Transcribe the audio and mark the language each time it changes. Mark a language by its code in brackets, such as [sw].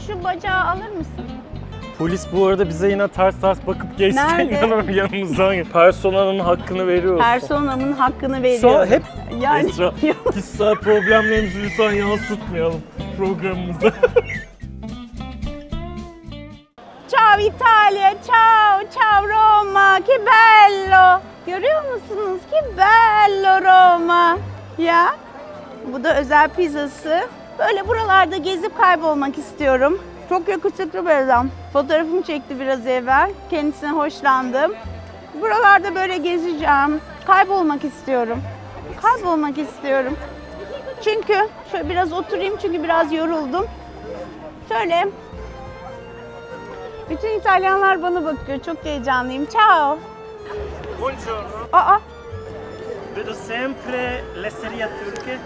[tr] Şu bacağı alır mısın? Polis bu arada bize yine ters ters bakıp geçti. Nerede? Yanımızdan. Personanın hakkını veriyoruz. Personanın hakkını veriyoruz. Şu an hep yani... Esra, kişisel problemlerimizi lütfen yansıtmayalım programımıza. [it] Ciao Italia, ciao, ciao Roma, che bello. [tr] Görüyor musunuz? [it] Che bello Roma. [tr] Ya, bu da özel pizzası. Böyle buralarda gezip kaybolmak istiyorum. Çok yakışıklı bir adam. Fotoğrafımı çekti biraz evvel. Kendisine hoşlandım. Buralarda böyle gezeceğim. Kaybolmak istiyorum. Kaybolmak istiyorum. Çünkü şöyle biraz oturayım çünkü biraz yoruldum. Şöyle. Bütün İtalyanlar bana bakıyor. Çok heyecanlıyım. Ciao. [it] Buongiorno. Aa. Vedo sempre le serie turche.